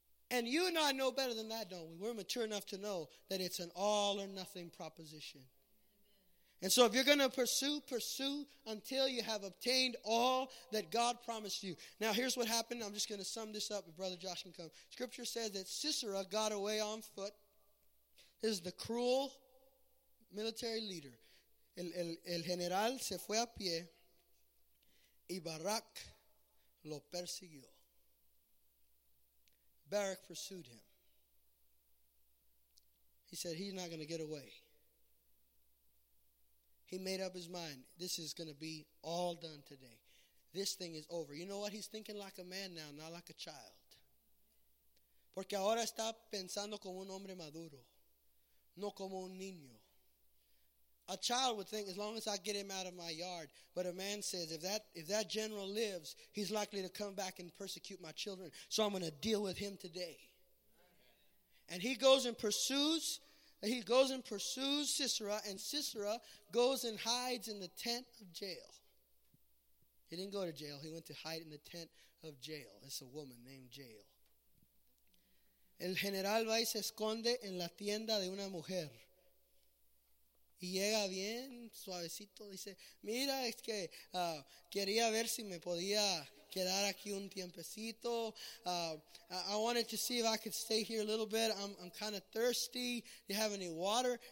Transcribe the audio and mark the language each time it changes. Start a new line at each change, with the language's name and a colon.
English: And you and I know better than that, don't we? We're mature enough to know that it's an all or nothing proposition. And so if you're going to pursue, pursue until you have obtained all that God promised you. Now here's what happened. I'm just going to sum this up if Brother Josh can come. Scripture says that Sisera got away on foot. This is the cruel military leader.
Spanish: El general se fue a pie y Barak lo persiguió.
English: Barak pursued him. He said he's not going to get away. He made up his mind. This is going to be all done today. This thing is over. You know what? He's thinking like a man now, not like a child.
Spanish: Porque ahora está pensando como un hombre maduro, no como un niño.
English: A child would think, as long as I get him out of my yard. But a man says, if that general lives, he's likely to come back and persecute my children. So I'm going to deal with him today. And he goes and pursues. He goes and pursues Sisera, and Sisera goes and hides in the tent of jail. He didn't go to jail. He went to hide in the tent of jail. It's a woman named Jael.
Spanish: El general va y se esconde en la tienda de una mujer. Y llega bien suavecito. Dice, mira, es que quería ver si me podía quedar aquí un tiempecito.
English: I wanted to see if I could stay here a little bit. I'm kind of thirsty. Do you have any water?